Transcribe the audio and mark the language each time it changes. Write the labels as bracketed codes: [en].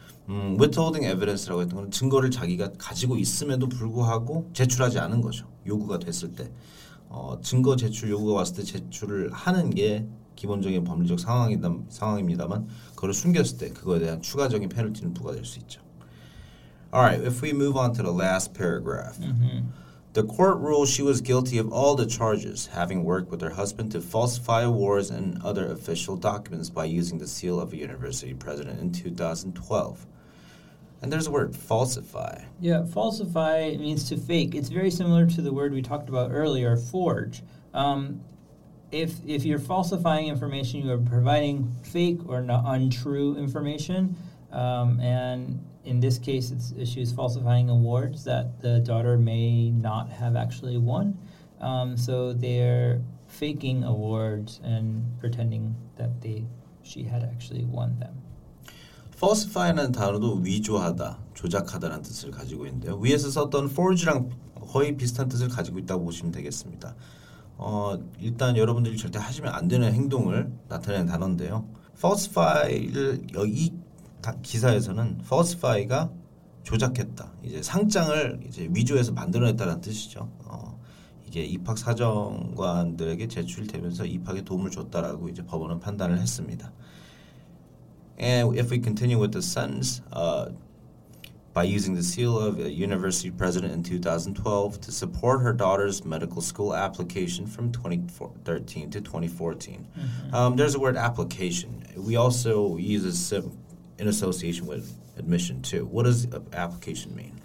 [ko] Withholding evidence라고 했던 건 증거를 자기가 가지고 있음에도 불구하고 제출하지 않은 거죠. 요구가 됐을 때. 증거 제출 요구가 왔을 때 제출을 하는 게 기본적인 법률적 상황입니다만 그걸 숨겼을 때 그거에 대한 추가적인 페널티는 부과될 수 있죠. [en] Alright, if we move on to the last paragraph. Mm-hmm. The court ruled she was guilty of all the charges, having worked with her husband to falsify awards and other official documents by using the seal of a university president in 2012. And there's a word, falsify. Yeah, falsify means to fake. It's very similar to the word we talked about earlier, forge. If you're falsifying information, you are providing fake or not untrue information, and in this case, she was falsifying awards that the daughter may not have actually won. So they're faking awards and pretending that she had actually won them. [ko] Falsify라는 단어도 위조하다, 조작하다라는 뜻을 가지고 있는데요. 위에서 썼던 forge랑 거의 비슷한 뜻을 가지고 있다고 보시면 되겠습니다. 일단 여러분들이 절대 하시면 안 되는 행동을 나타내는 단어인데요. Falsify를 여기 기사에서는 falsify가 조작했다. 이제 상장을 이제 위조해서 만들어냈다는 뜻이죠. 이게 입학 사정관들에게 제출되면서 입학에 도움을 줬다라고 이제 법원은 판단을 했습니다. [en] And if we continue with the sentence, by using the seal of a university president in 2012 to support her daughter's medical school application from 2013 to 2014. Mm-hmm. There's a word application. We also use a simple in association with admission too. What does application mean?